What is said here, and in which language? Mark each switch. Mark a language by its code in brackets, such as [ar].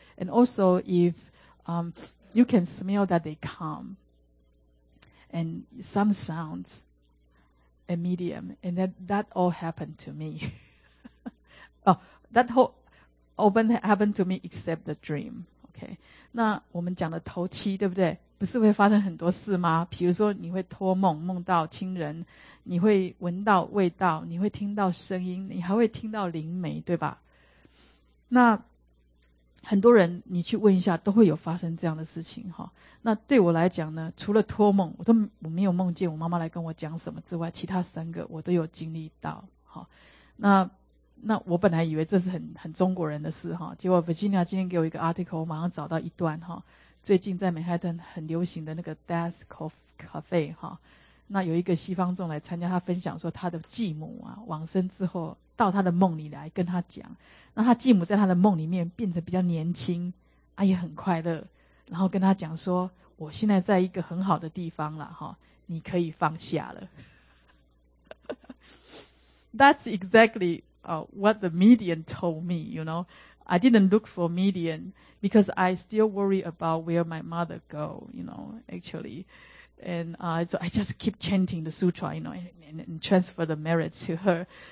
[en] And also if you can smell that they come and some sounds, a medium, and that all happened to me. Oh, that whole open happened to me except the dream. [zh] Okay, 那我们讲的头七对不对，不是会发生很多事吗？比如说你会托梦，梦到亲人，你会闻到味道，你会听到声音，你还会听到灵媒，对吧？那很多人你去问一下都会有发生这样的事情哈。那对我来讲呢，除了托梦我没有梦见我妈妈来跟我讲什么之外，其他三个我都有经历到哈。那我本来以为这是很中国人的事哈，结果 Virginia 今天给我一个 article， 我马上找到一段哈，最近在美哈顿很流行的那个 Death Cafe 哈，那有一个西方众来参加，他分享说他的继母啊往生之后到他的梦里来跟他讲，那他继母在他的梦里面变得比较年轻啊，也很快乐，然后跟他讲说，我现在在一个很好的地方啦哈，你可以放下了。 [en] That's exactly what the medium told me, you know. I didn't look for medium because I still worry about where my mother go, you know, actually. And so I just keep chanting the sutra, you know, and transfer the merit to her.